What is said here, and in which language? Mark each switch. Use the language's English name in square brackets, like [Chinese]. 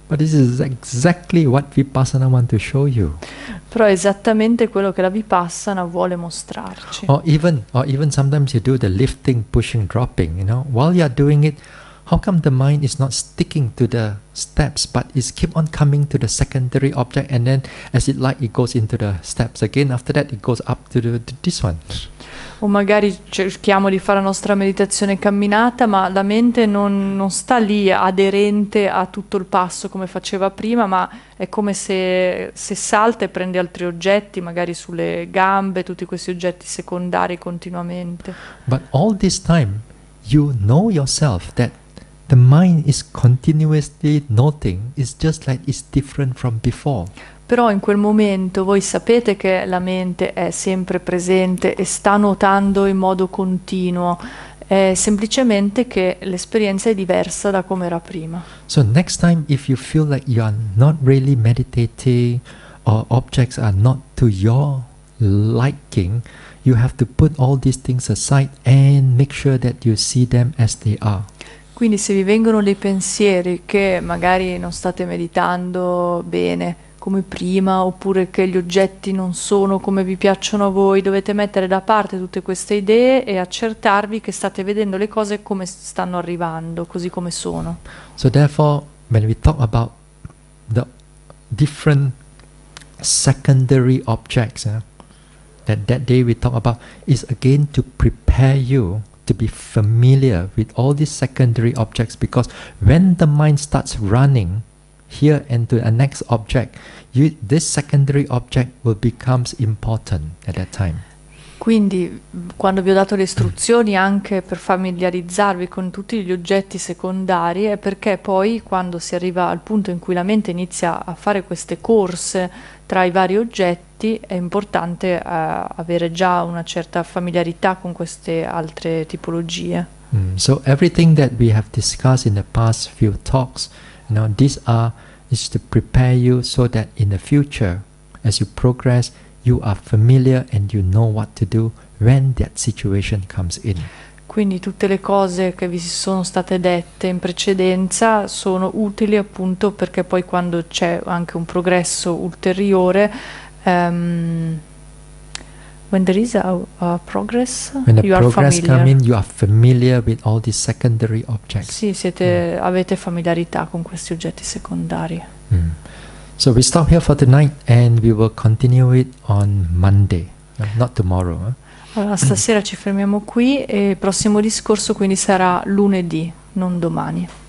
[English] But this is exactly what Vipassana want to show you. [Italian] Però è esattamente quello che la Vipassana vuole mostrarci. [English] Or even sometimes you do the lifting, pushing, dropping, you know, while you are doing it. How come the mind is not sticking to the steps, but is keep on coming to the secondary object, and then as it like it goes into the steps again, after that it goes up to the this one? [Italian] O magari cerchiamo di fare la nostra meditazione camminata, ma la mente non sta lì aderente a tutto il passo come faceva prima, ma è come se salta e prende altri oggetti, magari sulle gambe, tutti questi oggetti secondari continuamente. [English] But all this time you know yourself that the mind is continuously noting, it's just like it's different from before. [Italian] Però in quel momento voi sapete che la mente è sempre presente e sta notando in modo continuo, è semplicemente che l'esperienza è diversa da come era prima. [English] So next time if you feel like you are not really meditating or objects are not to your liking, you have to put all these things aside and make sure that you see them as they are. [Italian] Quindi se vi vengono dei pensieri che magari non state meditando bene come prima, oppure che gli oggetti non sono come vi piacciono a voi, dovete mettere da parte tutte queste idee e accertarvi che state vedendo le cose come stanno arrivando, così come sono. [English] So therefore, when we talk about the different secondary objects that day we talk about, is again to prepare you to be familiar with all these secondary objects, because when the mind starts running here and to the next object, this secondary object will become important at that time. [Italian] Quindi, quando vi ho dato le istruzioni anche per familiarizzarvi con tutti gli oggetti secondari, è perché poi, quando si arriva al punto in cui la mente inizia a fare queste corse tra i vari oggetti, è importante avere già una certa familiarità con queste altre tipologie. [English] So everything that we have discussed in the past few talks, you know, is to prepare you so that in the future, as you progress, you are familiar and you know what to do when that situation comes in. [Italian] Quindi tutte le cose che vi sono state dette in precedenza sono utili, appunto, perché poi quando c'è anche un progresso ulteriore, [English] when there is a progress, when the you are progress familiar. Come in, you are familiar with all these secondary objects. [Italian] Sì, avete familiarità con questi oggetti secondari. [English] So we stop here for tonight and we will continue it on Monday, not tomorrow. [Italian] Allora, stasera ci fermiamo qui e il prossimo discorso quindi sarà lunedì, non domani.